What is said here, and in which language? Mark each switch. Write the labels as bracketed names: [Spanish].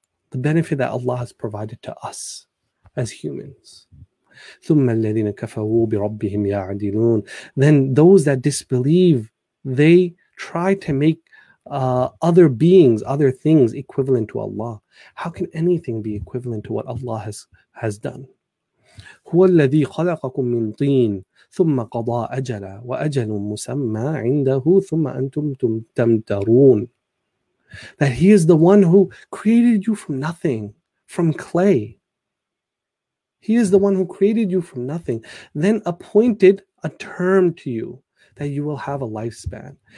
[English] The benefit that Allah has provided to us as humans. [Arabic] ثُمَّ الَّذِينَ كَفَرُوا بِرَبِّهِمْ يَعْدِلُونَ. [English] Then those that disbelieve, they try to make other beings, other things equivalent to Allah. How can anything be equivalent to what Allah has done? [Arabic] هُوَ الَّذِي خَلَقَكُم مِّن طِينٍ ثُمَّ قَضَى أَجَلًا وَأَجَلٌ مُّسَمًّى عِندَهُ ثُمَّ أَنتُمْ تَمْتَرُونَ. [English] That He is the one who created you from nothing, from clay. He is the one who created you from nothing, then appointed a term to you that you will have a lifespan.